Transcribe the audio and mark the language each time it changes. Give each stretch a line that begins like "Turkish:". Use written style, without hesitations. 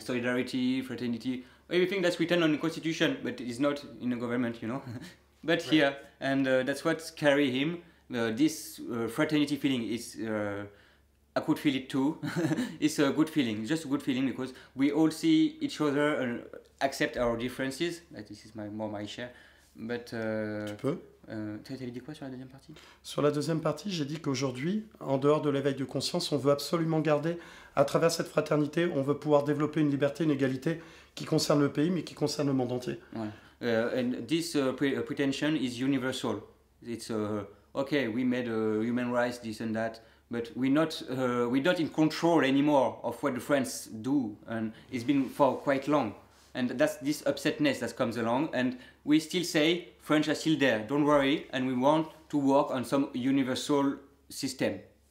English: Solidarity, fraternity, everything that's written on the constitution, but it's not in the government, you know. But right. Here, and that's what carry him, this fraternity feeling. I could feel it too. It's a good feeling, just a good feeling, because we all see each other and accept our differences. This is my share. But,
French: tu peux. Tu avais dit quoi sur la deuxième partie ? Sur la deuxième partie, j'ai dit qu'aujourd'hui, en dehors de l'éveil de conscience, on veut absolument garder, à travers cette fraternité, on veut pouvoir développer une liberté, une égalité qui concerne le pays, mais qui concerne le monde entier. Ouais.
English: And this pretension is universal. It's okay, we made human rights, this and that, but we're not in control anymore of what the French do, and it's been for quite long. And that's this upsetness that comes along, and we still say French are still there, don't worry, and we want to work on some universal system.